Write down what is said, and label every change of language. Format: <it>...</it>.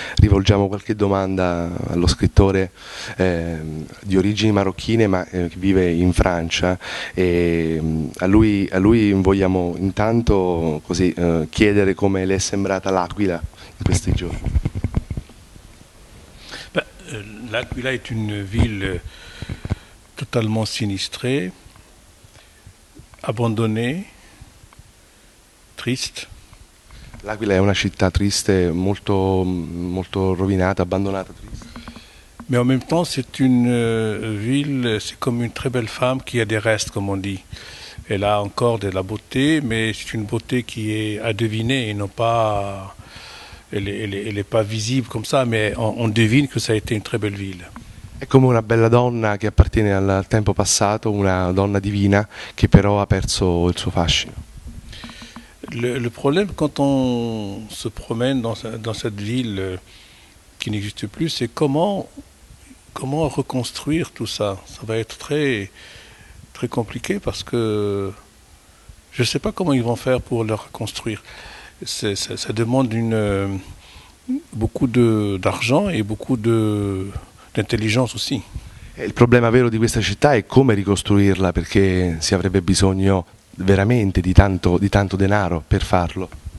<it>Rivolgiamo qualche domanda allo scrittore di origini marocchine, ma che vive in Francia. E a lui vogliamo intanto così, chiedere come le è sembrata l'Aquila in questi giorni.</it> <fr>L'Aquila est une ville totalement sinistrée, abbandonnée, triste.</fr> <it>L'Aquila è una città triste, molto, molto rovinata, abbandonata, triste.</it> <fr>Mais en même temps, c'est une ville, c'est comme une très belle femme qui a des restes, comme on dit. Elle a encore de la beauté, mais c'est une beauté qui est à deviner et non pas. Elle est pas visible comme ça, mais on devine que ça a été une très belle ville.</fr> <it>È come una bella donna che appartiene al tempo passato, una donna divina che però ha perso il suo fascino.</it> <fr>Le problème quand on se promène dans cette ville qui n'existe plus, c'est comment reconstruire tout ça. Ça va être très très compliqué parce que je ne sais pas comment ils vont faire pour le reconstruire. Ça demande beaucoup d'argent et beaucoup d'intelligence aussi.</fr> <it>Il problema vero di questa città è come ricostruirla, perché si avrebbe bisogno veramente di tanto denaro per farlo.</it>